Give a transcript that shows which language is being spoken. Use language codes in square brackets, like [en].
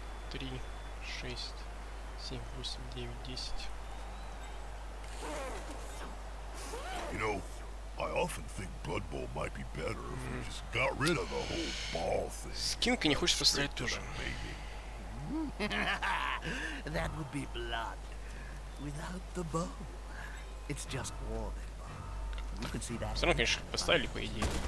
[ru] Три, шесть, семь, восемь, девять, десять. [en] You know, I often think Blood Bowl might be better if we just got rid of the whole ball thing. [ru] Скинка не хочет поставить тоже. [en] That would be blood. Without the bow. It's just war, then. You could see that. [ru] Все равно, конечно, поставили, по идее.